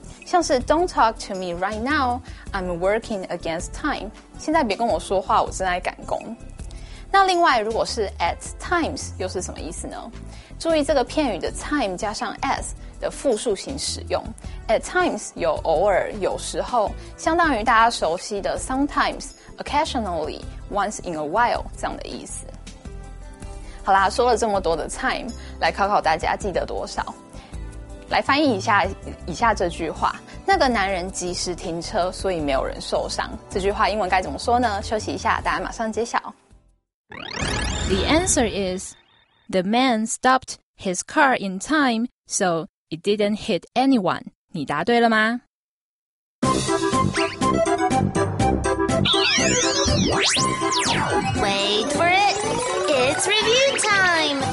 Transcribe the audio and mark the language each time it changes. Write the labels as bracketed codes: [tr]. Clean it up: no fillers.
[zh] 像是 [en] Don't talk to me right now, I'm working against time. [zh] 现在别跟我说话，我正在赶工。那另外如果是 at times 又是什么意思呢？注意这个片语的 time 加上 s 的复数型使用， at times 有偶尔有时候，相当于大家熟悉的 sometimes, occasionally, once in a while 这样的意思。好啦，说了这么多的 time 来考考大家记得多少，来翻译一下以下这句话，那个男人及时停车所以没有人受伤，这句话英文该怎么说呢？休息一下，大家马上揭晓。 [en] The answer is, the man stopped his car in time, so it didn't hit anyone. [zh] 你答对了吗？ [en] Wait for it! It's review time!